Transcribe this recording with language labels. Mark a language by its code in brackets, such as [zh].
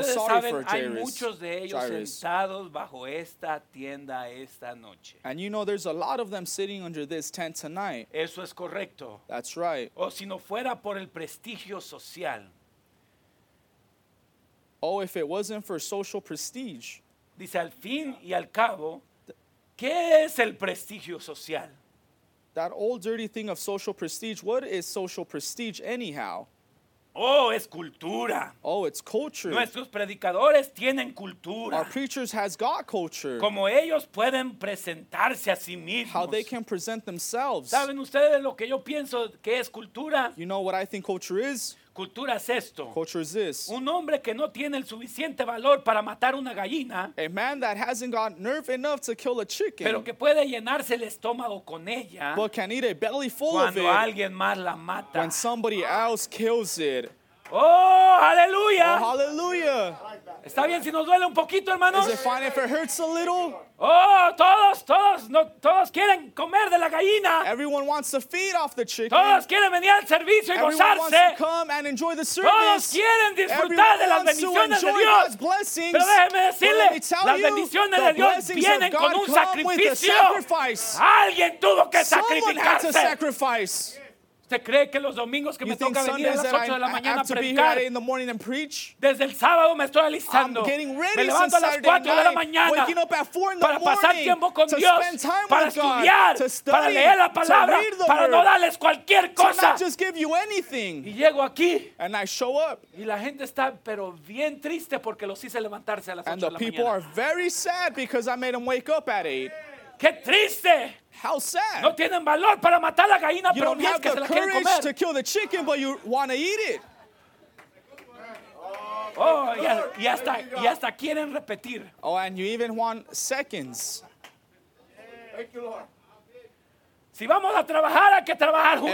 [es] ustedes [en] sorry [es] saben, [en] for Jairus. [es] Hay muchos de ellos [en] Jairus. [es] Sentados bajo esta tienda esta noche. [en] And you know there's a lot of them sitting under this tent tonight. [es] Eso es correcto. [en] That's right. [es] O si no fuera por el prestigio social. [en] Oh, if it wasn't for social prestige. [es] Dice al fin y al cabo, ¿qué es el prestigio social? [en] That old dirty thing of social prestige, what is social prestige anyhow? [es] Oh, es cultura. [en] Oh, it's culture. [es] Nuestros predicadores tienen cultura. [en] Our preachers has got culture. [es] Como ellos pueden presentarse a sí mismos. [en] How they can present themselves. [es] ¿Saben ustedes lo que yo pienso que es cultura? [en] You know what I think culture is? [es] Cultura es esto. [en] Culture is this. [es] Un hombre que no tiene el suficiente valor para matar una gallina. [en] A man that hasn't got nerve enough to kill a chicken. [es] Pero que puede llenarse el estómago con ella. [en] But can eat a belly full of it. [es] Cuando alguien más la mata. [en] When somebody else kills it. [es] Oh, aleluya. [en] Oh, hallelujah. [es] Está bien si nos duele un poquito, hermanos. [en] Is it fine if it hurts a little? [es] Oh, todos, no, todos quieren comer de la gallina. [en] Everyone wants to feed off the chicken. [es] Todos quieren venir al servicio y [en] Everyone [es] gozarse. [en] Wants to come and enjoy the service. [es] Todos quieren disfrutar [en] Everyone [es] de las bendiciones de Dios. [en] Blessings. [es] Pero déjeme decirle, [en] But let me tell [es] las bendiciones [en] you, [es] de Dios vienen con un sacrificio. Alguien tuvo que [en] Someone [es] sacrificarse. [en] Had to sacrifice. [es] ¿Se cree que los domingos que [en] you [es] me toca venir a las 8 de la mañana a predicar? [en] In the morning and preach? [es] Desde el sábado me estoy alistando. [en] I'm getting ready [es] me levanto [en] since [es] a las 4 de la mañana [en] waking up at 4 in the [es] para pasar tiempo con [en] to [es] Dios, [en] spend time [es] para [en] with [es] estudiar, [en] God, to study, [es] para leer la palabra, [en] to read the [es] para [en] word, [es] no darles cualquier cosa. [en] To not just give you anything. [es] Y llego aquí [en] and I show up. [es] Y la gente está pero bien triste porque los hice levantarse a las 8 de la mañana. [en] And the people are very sad because I made them wake up at 8. [es] ¡Qué triste! [en] How sad. [es] No tienen valor para matar la gallina, [en] you [es] pero [en] don't have [es] que [en] the courage to kill the chicken, but you want to eat it. [es] Oh, y hasta quieren repetir. [en] Oh, and you even want seconds. Thank you, Lord. [es] Si vamos a trabajar, hay que trabajar juntos.